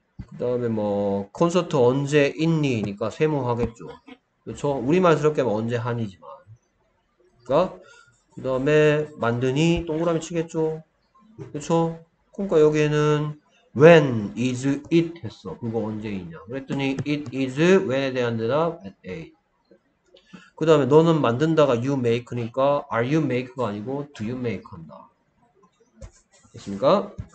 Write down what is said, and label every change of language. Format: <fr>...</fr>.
<ko>그다음에 뭐 콘서트 언제 있니?니까 세모하겠죠. 그렇죠? 우리말 스럽게 언제 한이지만. 그러니까 그다음에 만드니 동그라미 치겠죠. 그렇죠?</ko> <en>그러니까 여기에는 When is it</en> <ko>했어. 그거 언제이냐. 그랬더니</ko> <en>it is when</en> <ko>에 대한 대답</ko> <en>at a.</en> <ko>그 다음에 너는 만든다가</ko> <en>you make</en> <ko>니까</ko> <en>are you make</en> <ko>가 아니고</ko> <en>do you make</en> <ko>한다. 됐습니까?</ko>